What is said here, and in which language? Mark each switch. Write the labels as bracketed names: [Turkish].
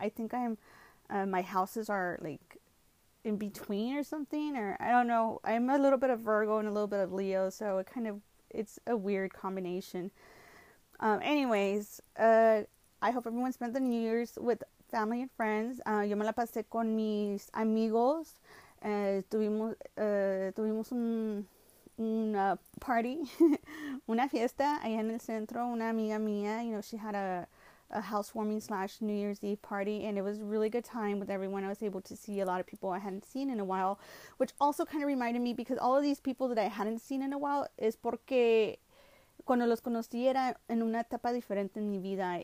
[English] I think I'm my houses are like in between or something, or I don't know. I'm a little bit of Virgo and a little bit of Leo, so it kind of, it's a weird combination. I hope everyone spent the New Year's with family and friends. [Spanish] Yo me la pasé con mis amigos. Tuvimos una [English] party, [Spanish] una fiesta allá en el centro. Una amiga mía, [English] you know, she had a housewarming / New Year's Eve party, and it was a really good time with everyone. I was able to see a lot of people I hadn't seen in a while, which also kind of reminded me, because all of these people that I hadn't seen in a while is [Spanish] porque cuando los conocí era en una etapa diferente en mi vida.